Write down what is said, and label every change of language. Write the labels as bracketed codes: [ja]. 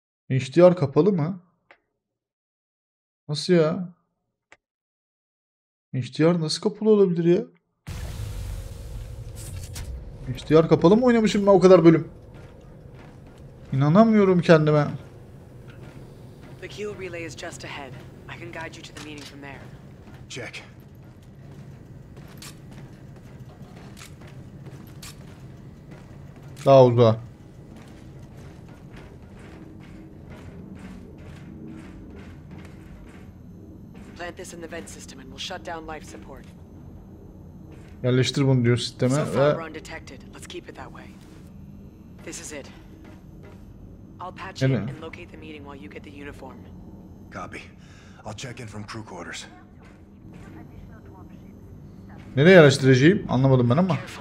[tr] HDR kapalı mı? Nasıl ya? HDR nasıl kapalı olabilir ya? HDR kapalı mı oynamışım ben o kadar bölüm? İnanamıyorum kendime. [en] The kill relay is just ahead. I can guide you to the meeting from there. Check. [tr] Daha uzağa. [en] Plant this in the vent system and we'll shut down life support. [tr] Yerleştir bunu diyor sisteme ve [en] so far we're undetected. Let's keep it that way. This is it. I'll patch in and locate the meeting while you get the uniform. Copy. I'll check in from crew quarters. [tr] Nereye yerleştireceğim? Anlamadım ben ama.